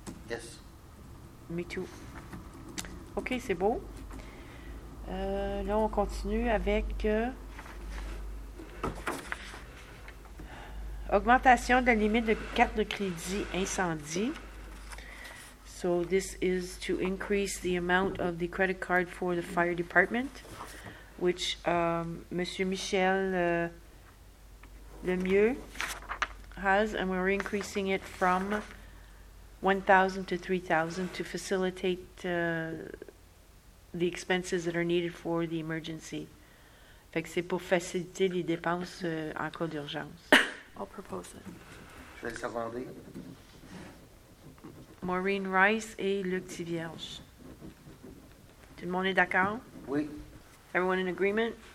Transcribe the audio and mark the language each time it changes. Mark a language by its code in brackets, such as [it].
[en] Yes. Me too. [fr] OK, c'est beau. Là, on continue avec... Augmentation de la limite de carte de crédit incendie. [en] So this is to increase the amount of the credit card for the fire department, which Monsieur Michel Lemieux has, and we're increasing it from 1,000 to 3,000 to facilitate the expenses that are needed for the emergency. [fr] Fait que c'est pour faciliter les dépenses en cas d'urgence. [en] I'll propose it. [fr] Je vais le savoir. Maureen Rice et Luc Thivierge. Tout le monde est d'accord? Oui. [en] Everyone in agreement?